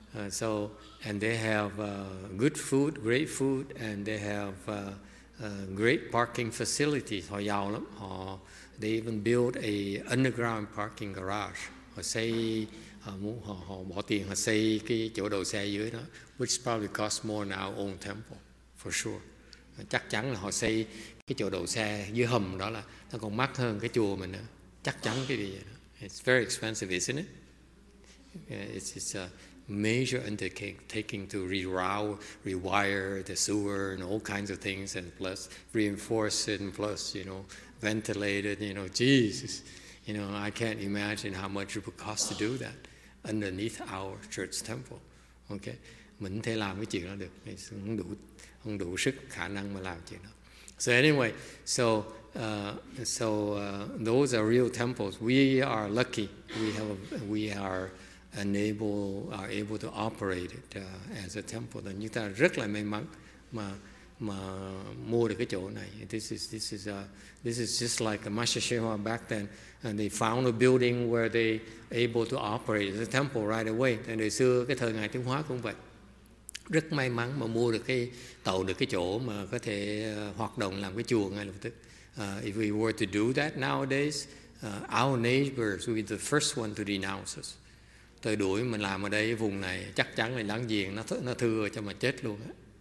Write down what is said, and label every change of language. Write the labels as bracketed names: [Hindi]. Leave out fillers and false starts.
[English] So, and they have good food, great food, and they have great parking facilities. [Vietnamese] Họ giàu lắm. [English] They even build a underground parking garage. [Vietnamese] Họ xây, họ bỏ tiền, họ xây cái chỗ đậu xe dưới đó, [English] which probably costs more than our own temple, for sure. [Vietnamese] Chắc chắn là họ xây cái chỗ đậu xe dưới hầm đó là nó còn mắc hơn cái chùa mình nữa. Chắc chắn cái gì vậy đó. [English] It's very expensive, isn't it? It's a... major undertaking to rewire the sewer and all kinds of things, and plus reinforce it, and plus, you know, ventilate it, you know, Jesus, you know, I can't imagine how much it would cost to do that underneath our church temple. [Vietnamese] Okay, mình thể làm cái chuyện đó được, không đủ sức khả năng mà làm chuyện đó. [English] So anyway, so those are real temples. We are lucky. We are able to operate it as a temple. [Vietnamese] Thì chúng ta rất là may mắn mà mua được cái chỗ này. [English] This is just like a Master Shehua back then, and they found a building where they able to operate the temple right away. [Vietnamese] Thì ngày xưa cái thời ngài Trung Hoa cũng vậy. Rất may mắn mà mua được cái tàu được cái chỗ mà có thể hoạt động làm cái chùa ngay lập tức. [English] If we were to do that nowadays, our neighbors would be the first one to denounce us. [Vietnamese] Tôi đuổi mình làm ở đây vùng này chắc chắn là láng giềng nó thưa cho mà chết luôn á.